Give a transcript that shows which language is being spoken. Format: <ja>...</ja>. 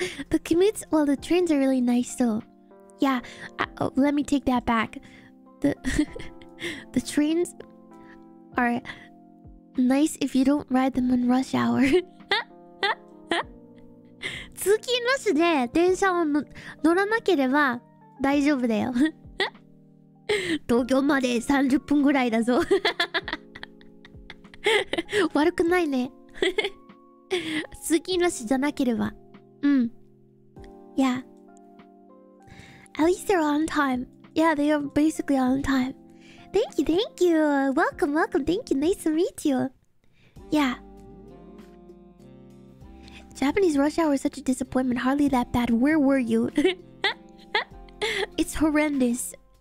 <en>The commutes, well, the trains are really nice though. Yeah, let me take that back. The trains are nice if you don't ride them in rush hour.</en> <ja>通勤ラッシュで電車を乗らなければ大丈夫だよ東京まで30分ぐらいだぞ悪くないね通勤ラッシュじゃなければうん</ja> <en>Yeah At least they're on time Yeah, they are basically on time Thank you, thank you Welcome, welcome, thank you, nice to meet you YeahJapanese rush hour is such a disappointment. Hardly that bad. Where were you? It's horrendous.</en>